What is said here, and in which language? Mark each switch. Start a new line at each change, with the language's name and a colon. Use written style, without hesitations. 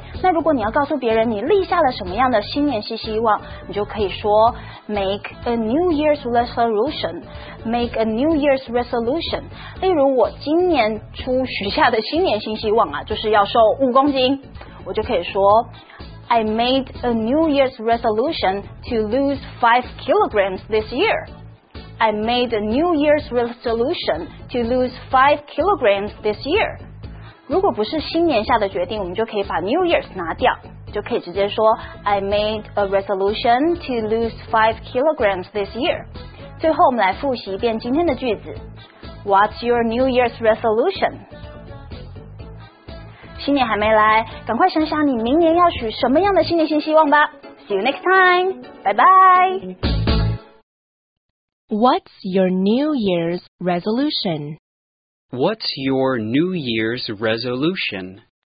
Chinese: 那如果你要告诉别人你立下了什么样的新年新希望，你就可以说
English: make a New Year's resolution，
Chinese: make a New Year's resolution。例如我今年初许下的新年新希望啊，就是要瘦5公斤，我就可以说
English: I made a New Year's resolution to lose 5 kilograms this year. I made a New Year's resolution to lose 5 kilograms this year.
Chinese: 如果不是新年下的决定，我们就可以把
English: New Year's
Chinese: 拿掉，就可以直接说
English: I made a resolution to lose 5 kilograms this year.
Chinese: 最后我们来复习一遍今天的句子。
English: What's your New Year's resolution?
Chinese: 新年还没来，赶快想想你明年要许什么样的新年新希望吧。
English: See you next time. Bye bye. What's your New Year's resolution? What's your New Year's resolution?